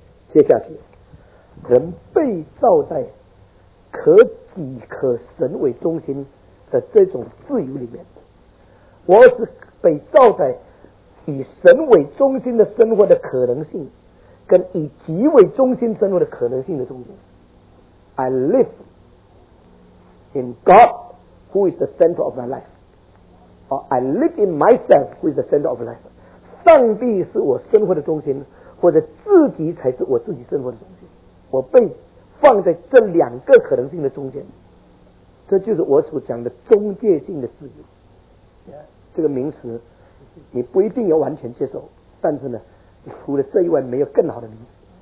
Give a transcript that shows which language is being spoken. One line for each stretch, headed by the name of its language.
Chinese: 接下去，人被造在可己可神为中心的这种自由里面，我是被造在以神为中心的生活的可能性跟以己为中心生活的可能性的中间。
English: I live in God who is the center of my life， or I live in myself who is the center of life。
Chinese: 上帝是我生活的中心，或者自己才是我自己生活的中心，我被放在这两个可能性的中间，这就是我所讲的中介性的自由。这个名词你不一定要完全接受，但是呢除了这以外没有更好的名词。